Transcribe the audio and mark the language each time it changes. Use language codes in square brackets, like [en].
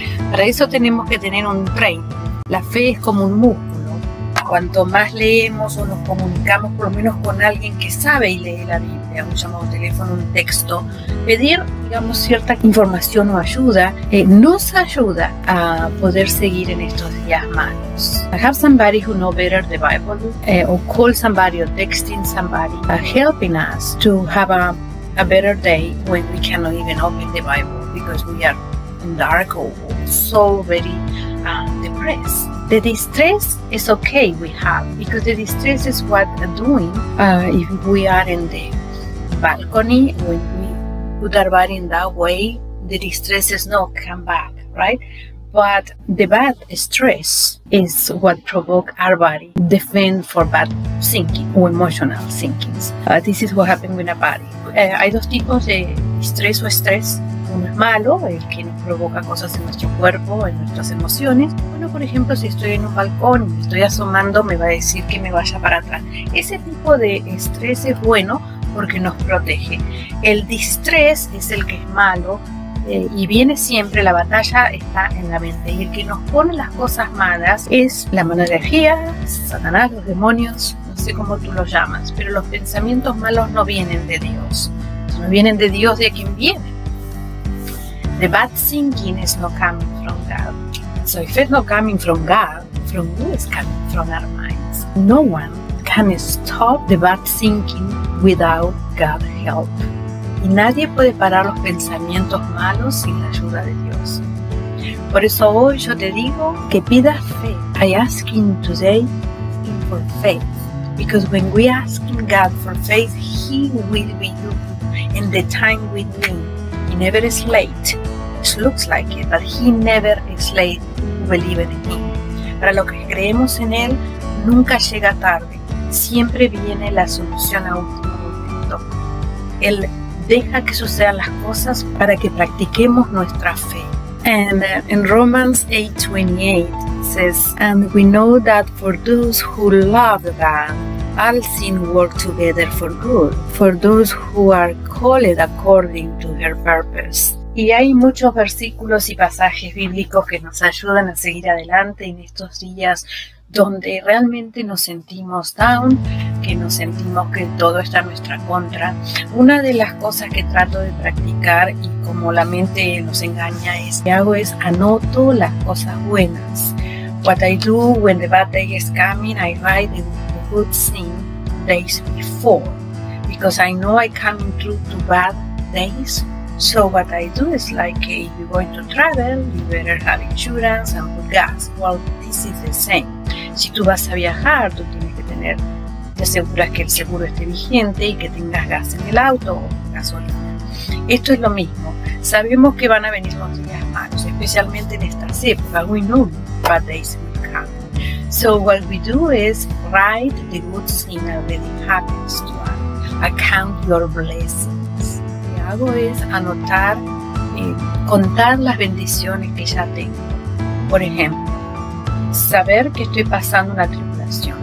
[es] Para eso tenemos que tener un training. La fe es como un músculo. Cuanto más leemos o nos comunicamos por lo menos con alguien que sabe y lee la Biblia, un llamado, un teléfono, un texto, pedir, digamos, cierta información o ayuda, nos ayuda a poder seguir en estos días malos. [en] I have somebody who knows better the Bible, or call somebody or texting somebody, helping us to have a better day when we cannot even open the Bible because we are in dark or so very depressed. The distress is okay we have, because the distress is what doing if we are in the balcony, when we put our body in that way, the distress is not come back, right? But the bad stress is what provoke our body defend for bad thinking or emotional thinking. This is what happened with a body. [es] Hay dos tipos de distress o stress. Uno es malo, el que nos provoca cosas en nuestro cuerpo, en nuestras emociones. Bueno, por ejemplo, si estoy en un balcón y me estoy asomando, me va a decir que me vaya para atrás. Ese tipo de estrés es bueno porque nos protege. El distrés es el que es malo y viene siempre, la batalla está en la mente. Y el que nos pone las cosas malas es la mala energía, Satanás, los demonios, no sé cómo tú los llamas. Pero los pensamientos malos no vienen de Dios. No vienen de Dios, de quien viene. [en] The bad thinking is not coming from God. So if it's not coming from God, from who is coming? From our minds. No one can stop the bad thinking without God's help. [es] Y nadie puede parar los pensamientos malos sin la ayuda de Dios. Por eso hoy yo te digo que pidas fe. [en] I ask him today for faith. Because when we ask God for faith, he will be doing in the time we need. He never is late. It looks like it, but he never is late who believe in him. [es] Para los que creemos en él, nunca llega tarde. Siempre viene la solución a último momento. Él deja que sucedan las cosas para que practiquemos nuestra fe. [en] And in Romans 8:28 says, "And we know that for those who love God, all things work together for good, for those who are called according to their purpose." [es] Y hay muchos versículos y pasajes bíblicos que nos ayudan a seguir adelante en estos días donde realmente nos sentimos down, que nos sentimos que todo está en nuestra contra. Una de las cosas que trato de practicar, y como la mente nos engaña, es que hago es anoto las cosas buenas. [en] What I do when the bad day is coming, I write the good thing days before. Because I know I come through to bad days. So what I do is like, if you're going to travel, you better have insurance and put gas. Well, this is the same. [es] Si tú vas a viajar, tú tienes que tener, te aseguras que el seguro esté vigente y que tengas gas en el auto o gasolina. Esto es lo mismo. Sabemos que van a venir los días malos, especialmente en esta época. [en] We know bad days will come. So what we do is write the good thing already happens to us. Account your blessings. [es] Lo que hago es anotar, contar las bendiciones que ya tengo. Por ejemplo, saber que estoy pasando una tribulación.